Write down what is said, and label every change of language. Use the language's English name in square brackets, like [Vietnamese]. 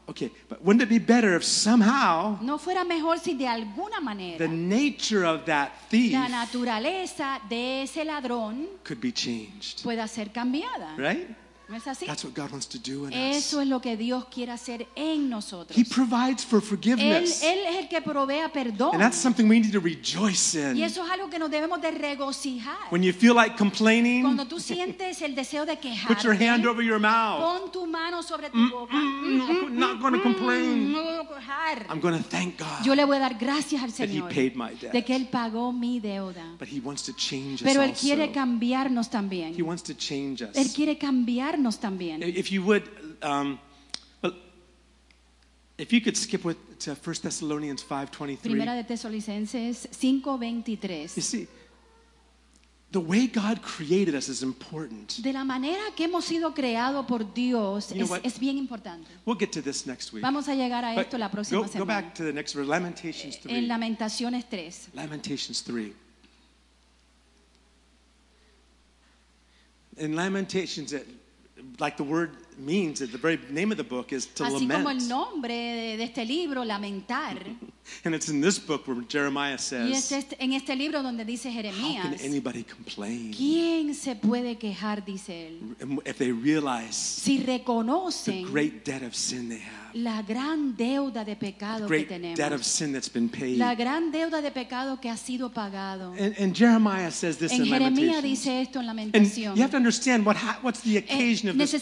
[English] Okay, but wouldn't it be better if somehow? [Spanish] No fuera mejor si de alguna manera. [English] The nature of that thief. [Spanish] La naturaleza de ese ladrón. [English] Could be changed. [Spanish] Pueda ser cambiada. [English] Right? That's what God wants to do in us. [Spanish] Eso es lo que Dios quiere hacer en nosotros. [English] He provides for forgiveness. [Spanish] Él es el que provee perdón. [English] And that's something we need to rejoice in. [Spanish] Y eso es algo que nos debemos de regocijar. [English] When you feel like complaining, [Spanish] cuando tú sientes el deseo de quejarte, [English] put your hand over your mouth. [Spanish] Pon tu mano sobre tu boca. [English] I'm not going to complain. [Spanish] No, [English] I'm going to thank God. [Spanish] Yo le voy a dar gracias al Señor. [English] That He paid my debt. [Spanish] De que él pagó mi deuda. [English] But He wants to change [Spanish] pero Pero él quiere [English] also. [Spanish] Cambiarnos también. [English] He wants to change us. [Spanish] Él quiere cambiar. [English] If you would, if you could skip with to 1 Thessalonians 5:23. You see, the way God created us is important. [Spanish] De la manera que hemos sido creado por Dios es bien importante. [English] We'll get to this next week. [Spanish] Vamos a llegar a esto la próxima semana. [English] Go back to the next verse, Lamentations 3. [Spanish] En Lamentaciones 3. [English] Lamentations 3. In Lamentations, it like the word means, the very name of the book is to [Spanish] así [English] lament. [Spanish] Así como el nombre de este libro, lamentar. [English] And it's in this book where Jeremiah says. [Spanish] Y es en este libro donde dice Jeremías. [English] How can anybody complain? [Spanish] ¿Quién se puede quejar, dice él? [English] If they realize. [Spanish] Si reconocen. [English] The great debt of sin they have. [Spanish] La gran deuda de pecado que tenemos. [English] Debt of sin that's been paid. [Spanish] La gran deuda de pecado que ha sido pagado. [English] And Jeremiah says this [Spanish] en [English] in Jeremiah Lamentations. [Spanish] Dice esto en Lamentación. [English] And you have to understand what's the occasion of this